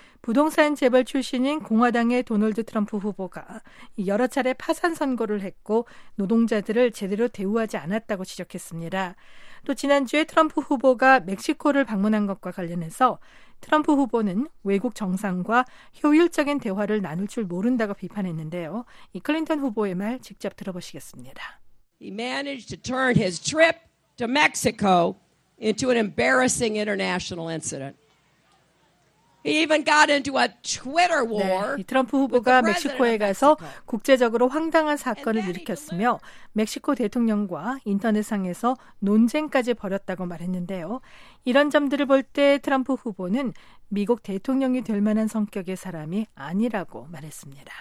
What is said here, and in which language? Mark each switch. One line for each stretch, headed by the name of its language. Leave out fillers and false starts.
Korean: 부동산 재벌 출신인 공화당의 도널드 트럼프 후보가 여러 차례 파산 선고를 했고 노동자들을 제대로 대우하지 않았다고 지적했습니다. 또 지난주에 트럼프 후보가 멕시코를 방문한 것과 관련해서 트럼프 후보는 외국 정상과 효율적인 대화를 나눌 줄 모른다고 비판했는데요. 이 클린턴 후보의 말 직접 들어보시겠습니다.
English: He managed to turn his trip to Mexico into an embarrassing international incident. He even got into a Twitter war.
Korean: 네, 트럼프 후보가 멕시코에 가서 국제적으로 황당한 사건을 일으켰으며 멕시코 대통령과 인터넷상에서 논쟁까지 벌였다고 말했는데요. 이런 점들을 볼 때 트럼프 후보는 미국 대통령이 될 만한 성격의 사람이 아니라고 말했습니다.